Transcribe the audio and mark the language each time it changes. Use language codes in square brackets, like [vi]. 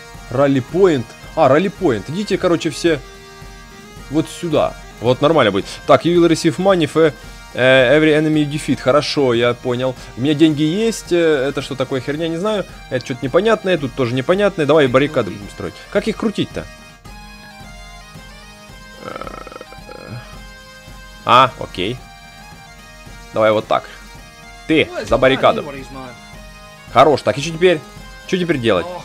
[ru] Ралли поинт. А, ралли поинт. Идите, короче, все вот сюда. Вот нормально будет. [en] Так, you will receive money for every enemy defeat. [ru] Хорошо, я понял. У меня деньги есть. Это что такое, херня, не знаю. Это что-то непонятное, тут тоже непонятное. Давай баррикады будем строить. Как их крутить-то? А, окей. Давай вот так. Ты, за баррикаду. Хорош, так, и что теперь? Что теперь делать?